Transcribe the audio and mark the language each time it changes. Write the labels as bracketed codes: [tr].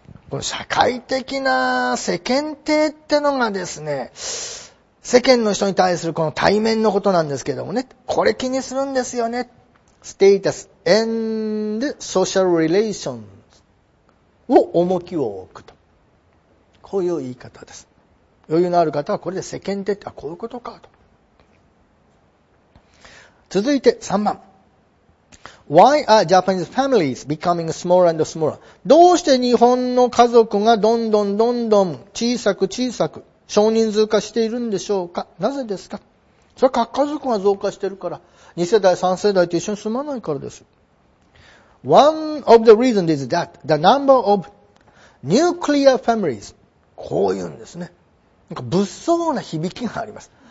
[ja] この社会的な世間体ってのがですね、世間の人に対するこの対面のことなんですけどもね、これ気にするんですよね。 [en] status and social relations [ja] を重きを置くと、こういう言い方です。余裕のある方はこれで世間体ってこういうことかと。続いて3番、 [en] Why are Japanese families becoming smaller and smaller? [ja] どうして日本の家族がどんどんどんどん小さく小さく少人数化しているんでしょうか。なぜですか。それは家族が増加しているから、2世代3世代と一緒に住まないからです。 [en] One of the reasons is that the number of nuclear families、 [ja] こういうんですね、なんか物騒な響きがあります。